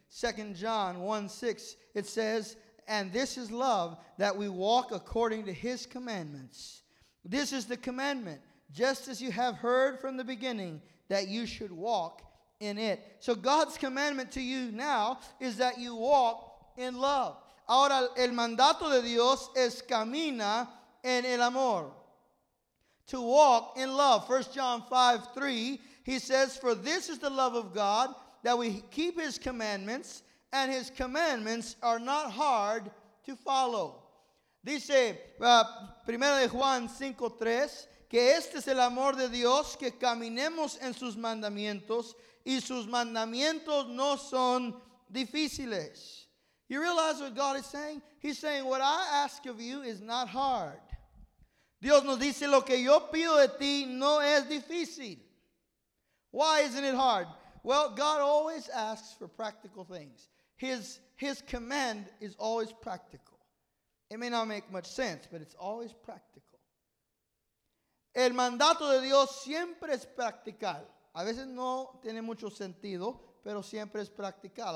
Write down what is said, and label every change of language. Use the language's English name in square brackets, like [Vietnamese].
[English] 2 John 1:6, it says, and this is love, that we walk according to his commandments. This is the commandment, just as you have heard from the beginning, that you should walk in it. So God's commandment to you now is that you walk in love. [Spanish] Ahora, el mandato de Dios es camina en el amor. [English] To walk in love. 1 John 5:3, he says, for this is the love of God, that we keep his commandments, and his commandments are not hard to follow. [Spanish] Dice, 1 Juan 5:3, que este es el amor de Dios, que caminemos en sus mandamientos, y sus mandamientos no son difíciles. [English] You realize what God is saying? He's saying, what I ask of you is not hard. [Spanish] Dios nos dice, lo que yo pido de ti no es difícil. [English] Why isn't it hard? Well, God always asks for practical things. His command is always practical. It may not make much sense, but it's always practical. [Spanish] El mandato de Dios siempre es practical. A veces no tiene mucho sentido, pero siempre es practical.